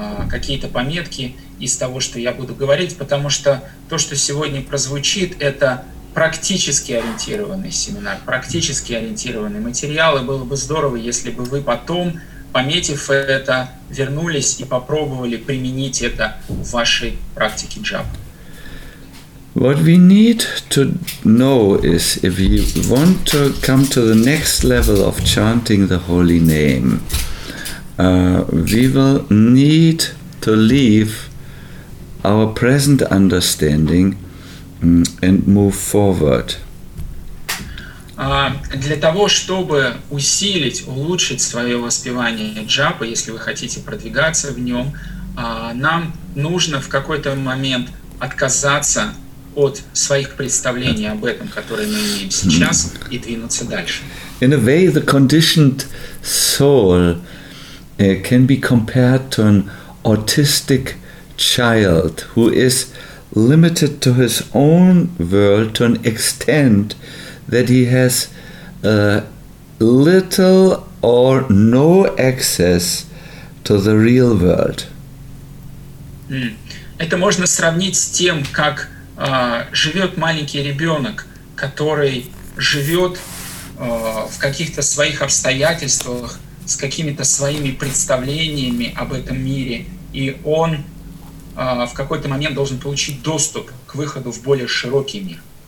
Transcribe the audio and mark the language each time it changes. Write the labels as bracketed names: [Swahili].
[Russian] какие-то пометки из того, что я буду говорить, потому что то, что сегодня прозвучит, это практически ориентированный семинар, практически ориентированный материал, и было бы здорово, если бы вы потом, пометив это, вернулись и попробовали применить это в вашей практике джапы. [English] What we need to know is, if you want to come to the next level of chanting the holy name, we will need to leave our present understanding and move forward. [Russian] Для того, чтобы усилить, улучшить свое воспевание джапа, если вы хотите продвигаться в нем, нам нужно в какой-то момент отказаться от своих представлений об этом, которые мы имеем сейчас, и двинуться дальше. [English] In a way, the conditioned soul can be compared to an autistic child who is limited to his own world to an extent that he has little or no access to the real world. [Russian] Это можно сравнить с тем, как живет маленький ребенок, который живет в каких-то своих обстоятельствах, с какими-то своими представлениями об этом мире, и он в какой-то момент должен получить доступ к выходу в более широкий мир.